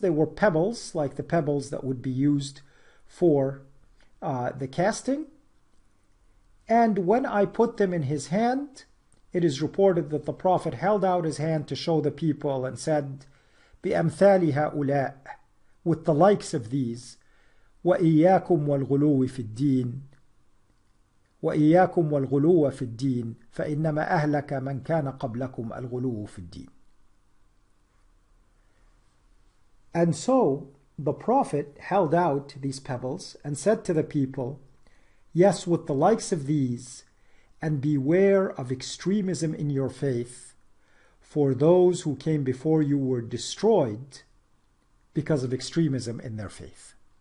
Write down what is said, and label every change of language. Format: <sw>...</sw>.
<en>They were pebbles, like the pebbles that would be used for the casting. And when I put them in his hand, it is reported that the Prophet held out his hand to show the people and said,</en> <ar>بِأَمْثَالِ هَؤُلَاءِ,</ar> <en>with the likes of these,</en> <ar>وإياكم والغلو في الدين وإياكم والغلو في الدين فإنما أهلك من كان قبلكم الغلو في الدين.</ar> <en>And so the prophet held out these pebbles and said to the people, Yes, with the likes of these, and beware of extremism in your faith, for those who came before you were destroyed because of extremism in their faith.</en>